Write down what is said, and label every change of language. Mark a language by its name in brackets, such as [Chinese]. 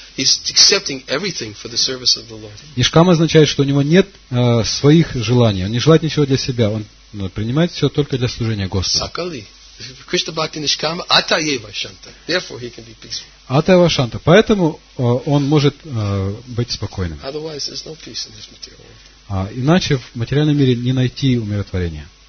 [English] He's accepting everything for the service of the Lord. [Russian] Nishkama означает, что у него нет своих желаний. Он не желает ничего для себя. Он принимает все только для служения Господу. [Sanskrit] Sakali. Krishna Bhakti Nishkama Atayeva Shanta. [English] Therefore he can be peaceful. [Sanskrit] Atayeva Shanta. [Russian] Поэтому он может быть спокойным. [English] Otherwise there's no peace in this material world. [Russian] Иначе в материальном мире не найти умиротворения.